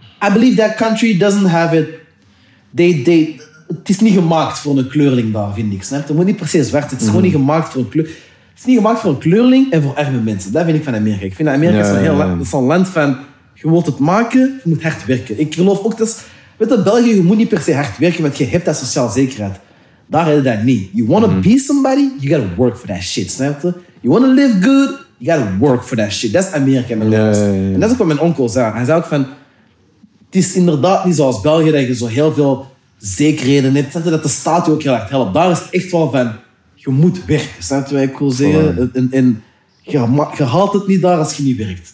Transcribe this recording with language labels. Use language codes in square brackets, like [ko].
[en] I believe that country doesn't have it. [nl] Het is niet gemaakt voor een kleurling daar, vind ik. Snap je? Het moet niet precies zwart. Het is gewoon niet gemaakt voor een kleur. Het is niet gemaakt voor een kleurling en voor arme mensen. Dat vind ik van Amerika. Ik vind Amerika een land van... Je wilt het maken, je moet hard werken. Ik geloof ook dat... Weet je, België, je moet niet per se hard werken, want je hebt dat sociaal zekerheid. Daar heb je dat niet. [en] You want to be somebody, you gotta work for that shit, [nl] snap je? [en] You want to live good, you gotta work for that shit. [nl] Dat is Amerika, mijn leven. En dat is ook wat mijn onkel zei. Hij zei ook van... Het is inderdaad niet zoals België, dat je zo heel veel zekerheden hebt. Dat de staat je ook heel hard helpt. Daar is het echt wel van... Je moet werken, snap je wat ik wil zeggen? En je haalt het niet daar als je niet werkt.